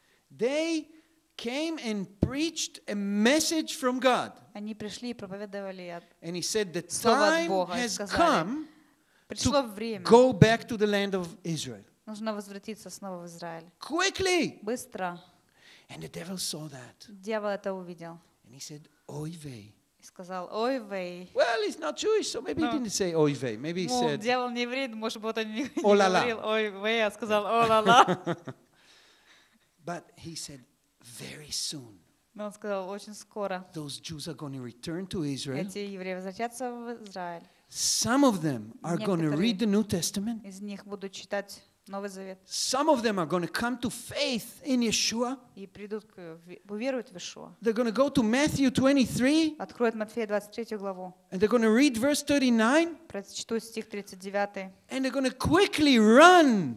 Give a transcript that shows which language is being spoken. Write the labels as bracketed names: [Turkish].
[English] They came and preached a message from God. [Russian] Они пришли и проповедовали от Бога. [English] And he said the time has come. [Russian] Пришло время. [English] Go back to the land of Israel. [Russian] Нужно возвратиться снова в Израиль. [English] Quickly. [Russian] Быстро. [English] And the devil saw that. [Russian] Дьявол это увидел. [English] And he said, "Ой вей." [Russian] Сказал, ой вей. [English] Well, he's not Jewish, so maybe he didn't say ой вей. Maybe he said. [Russian] Дьявол не еврей, может быть, он не говорил ой вей, а сказал о ла ла. [English] But he said, very soon. [Russian] Но он сказал очень скоро. [English] Those Jews are going to return to Israel. [Russian] Эти евреи возвратятся в Израиль. [English] Some of them are going to read the New Testament. [Russian] Из них будут читать Новый Завет. [English] Some of them are going to come to faith in Yeshua. [Russian] И придут к уверуют в Иешуа. [English] They're going to go to Matthew 23. [Russian] Откроют Матфея 23 главу. [English] And they're going to read verse 39. [Russian] Прочитают стих 39. [English] And they're going to quickly run.